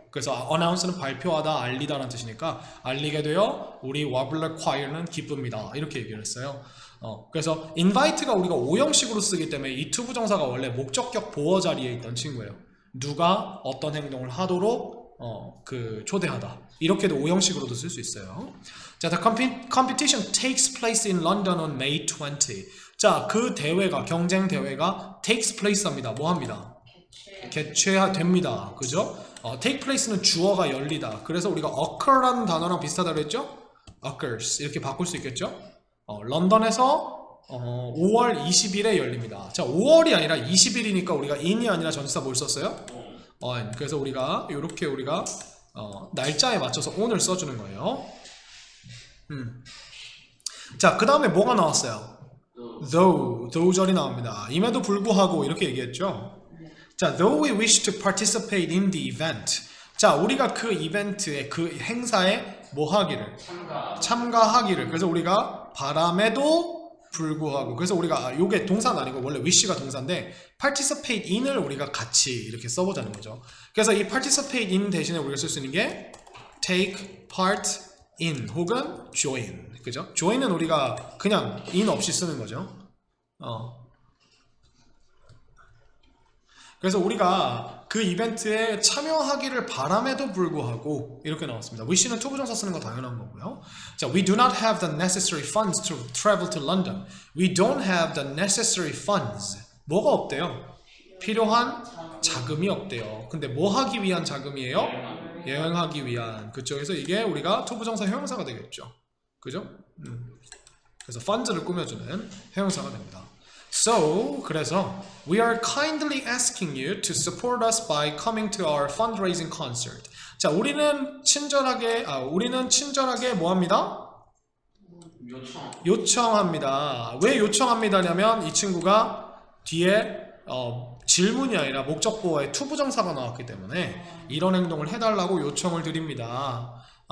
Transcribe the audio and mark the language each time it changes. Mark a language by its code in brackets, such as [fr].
[ko] 그래서 어나운스는 발표하다, 알리다라는 뜻이니까 알리게 되어 우리 와블러 콰이어는 기쁩니다. 이렇게 얘기를 했어요. 그래서 인바이트가 우리가 오형식으로 쓰기 때문에 이 투 부정사가 원래 목적격 보어 자리에 있던 친구예요. 누가 어떤 행동을 하도록 초대하다. 이렇게도 오형식으로도 쓸수 있어요. [en] 자, the competition takes place in London on May 20. [ko] 자, 그 대회가, 경쟁 대회가 [en] takes place [ko] 합니다. 뭐 합니다? 개최됩니다. 그죠? take place는 주어가 열리다. 그래서 우리가 occur라는 단어랑 비슷하다고 했죠? occurs. 이렇게 바꿀 수 있겠죠? 런던에서 5월 20일에 열립니다. 자, 5월이 아니라 20일이니까 우리가 in이 아니라 전치사 뭘 썼어요? 그래서 우리가 이렇게 우리가 날짜에 맞춰서 오늘 써주는 거예요. 자, 그 다음에 뭐가 나왔어요? though 절이 나옵니다. 임에도 불구하고 이렇게 얘기했죠. [en] 자, though we wish to participate in the event. [ko] 자, 우리가 그 이벤트에 그 행사에 뭐 하기를 참가하기를. 그래서 우리가 바람에도 불구하고, 그래서 우리가 요게 동사는 아니고 원래 wish가 동사인데 participate in을 우리가 같이 이렇게 써보자는 거죠. 그래서 이 participate in 대신에 우리가 쓸수 있는 게 take part in 혹은 join, 그죠? join은 우리가 그냥 in 없이 쓰는 거죠. 그래서 우리가 그 이벤트에 참여하기를 바람에도 불구하고 이렇게 나왔습니다. wish는 to 부정사 쓰는 거 당연한 거고요. [en] 자, we do not have the necessary funds to travel to London. We don't have the necessary funds. [ko] 뭐가 없대요? 필요한 자금이 없대요. 근데 뭐 하기 위한 자금이에요? 여행하기 위한. 그쪽에서 이게 우리가 to 부정사 형용사가 되겠죠. 그죠? 그래서 funds를 꾸며주는 형용사가 됩니다. [en] So, 그래서 we are kindly asking you to support us by coming to our fundraising concert. [ko] 자, 우리는 친절하게 뭐 합니다? 요청합니다. 왜 요청합니다냐면 이 친구가 뒤에 질문이 아니라 목적보호에 to 부정사가 나왔기 때문에 이런 행동을 해달라고 요청을 드립니다.